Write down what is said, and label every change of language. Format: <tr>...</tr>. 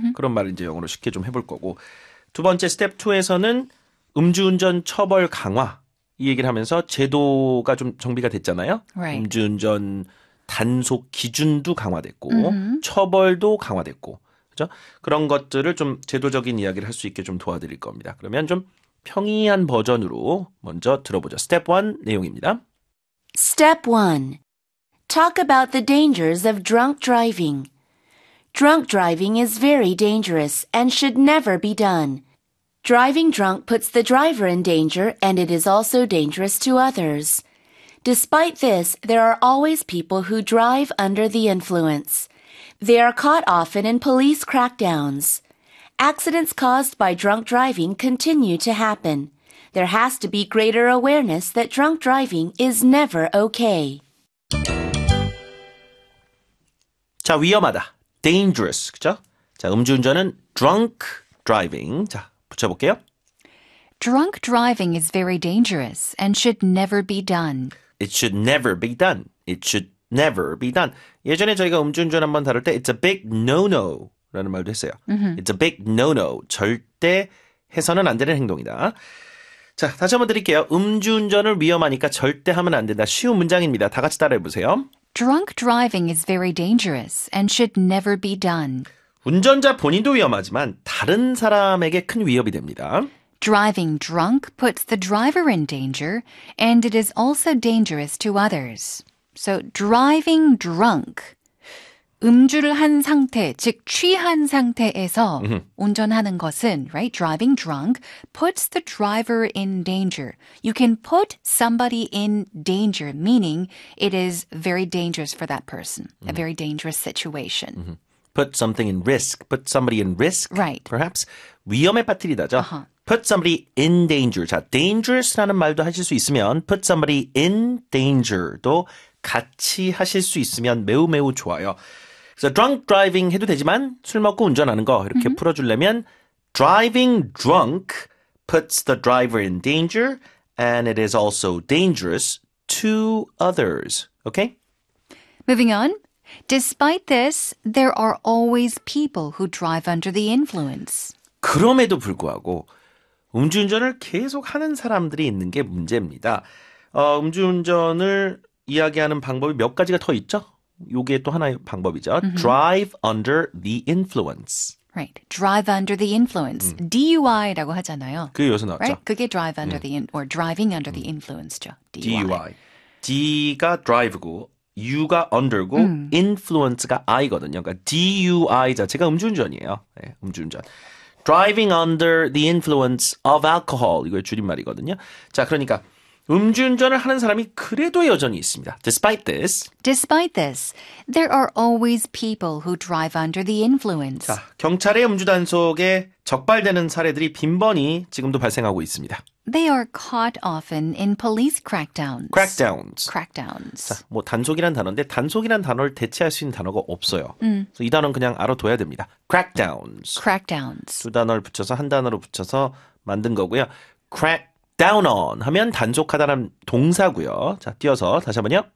<ko>그런 말을 이제 영어로 쉽게 좀 해볼 거고, 두 번째 스텝 2에서는 음주운전 처벌 강화 이 얘기를 하면서 제도가 좀 정비가 됐잖아요.</ko> <en>Right.</en> <ko>음주운전 단속 기준도 강화됐고 처벌도 강화됐고, 그렇죠? 그런 것들을 좀 제도적인 이야기를 할 수 있게 좀 도와드릴 겁니다. 그러면 좀 평이한 버전으로 먼저 들어보죠. 스텝 1 내용입니다.</ko> <en>Step 1. Talk about the dangers of drunk driving. Drunk driving is very dangerous and should never be done. Driving drunk puts the driver in danger and it is also dangerous to others. Despite this, there are always people who drive under the influence. They are caught often in police crackdowns. Accidents caused by drunk driving continue to happen. There has to be greater awareness that drunk driving is never okay.</en> <ko>자, 위험하다. Dangerous, 그죠? 자, 음주운전은 drunk driving. 자, 붙여볼게요.</ko> <en>Drunk driving is very dangerous and should never be done. It should never be done. It should never be done.</en> <ko>예전에 저희가 음주운전 한번 다룰 때</ko> <en>it's a big no-no</en> <ko>라는 말도 했어요. Mm-hmm.</ko> <en>It's a big no-no.</en> <ko>절대 해서는 안 되는 행동이다. 자, 다시 한번 드릴게요. 음주운전을 위험하니까 절대 하면 안 된다. 쉬운 문장입니다. 다 같이 따라해보세요.</ko> <en>Drunk driving is very dangerous and should never be done.</en> <ko>운전자 본인도 위험하지만 다른 사람에게 큰 위협이 됩니다.</ko> <en>Driving drunk puts the driver in danger and it is also dangerous to others. So driving drunk,</en> <ko>음주를 한 상태, 즉 취한 상태에서 운전하는 것은, right?</ko> <en>Driving drunk puts the driver in danger. You can put somebody in danger, meaning it is very dangerous for that person, a very dangerous situation. Put something in risk, put somebody in risk, right?</en> <ko>Perhaps 위험에 빠뜨리다죠. Uh-huh.</ko> <en>Put somebody in danger.</en> <ko>자, dangerous라는 말도 하실 수 있으면</ko> <en>put somebody in danger</en> <ko>도 같이 하실 수 있으면 매우 매우 좋아요.</ko> <en>그래서 drunk driving 해도 되지만</en> <ko>술 먹고 운전하는 거 이렇게 풀어주려면</ko> <en>driving drunk puts the driver in danger and it is also dangerous to others. Okay? Moving on. Despite this, there are always people who drive under the influence.</en> <ko>그럼에도 불구하고 음주운전을 계속 하는 사람들이 있는 게 문제입니다. 음주운전을 이야기하는 방법이 몇 가지가 더 있죠? 요게 또 하나의 방법이죠.</ko> <en>Drive under the influence. Right. Drive under the influence.</en> <ko>DUI라고 하잖아요. 그게 여기서 나왔죠.</ko> <en>Right? 그게 drive under the or driving under the influence죠. DUI.</en> <ko>D가 drive고 U가 under고 influence가 I거든요. 그러니까 DUI 자체가 음주운전이에요. 네, 음주운전.</ko> <en>Driving under the influence of alcohol.</en> <ko>이거 줄임말이거든요. 자, 그러니까 음주운전을 하는 사람이 그래도 여전히 있습니다.</ko> <en>Despite this, there are always people who drive under the influence.</en> <ko>자, 경찰의 음주단속에 적발되는 사례들이 빈번히 지금도 발생하고 있습니다.</ko> <en>They are caught often in police crackdowns. Crackdowns.</en> <ko>자, 뭐 단속이란 단어인데 단속이란 단어를 대체할 수 있는 단어가 없어요. 그래서 이 단어는 그냥 알아둬야 됩니다.</ko> <en>Crackdowns.</en> <ko>두 단어를 붙여서 한 단어로 붙여서 만든 거고요. Down on 하면 단속하다는 동사고요. 자, 띄어서 다시 한 번요.</ko>